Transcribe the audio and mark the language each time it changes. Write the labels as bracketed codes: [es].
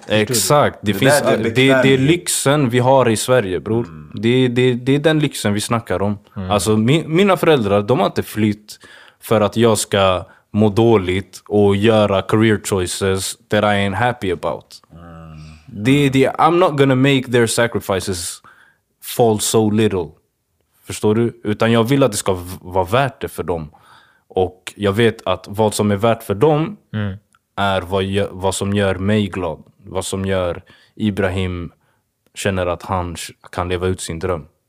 [sv] Exakt. Det är lyxen vi har i Sverige, bror. Mm. Det är den lyxen vi snackar om. Mm. Alltså mina föräldrar, de har inte flytt för att jag ska må dåligt och göra [en] career choices that I ain't happy about. I'm not gonna make their sacrifices fall so little. [sv] Förstår du? Utan jag vill att det ska vara värt det för dem. Och jag vet att vad som är värt för dem är vad som gör mig glad. Vad som gör Ibrahim känner att han kan leva ut sin dröm.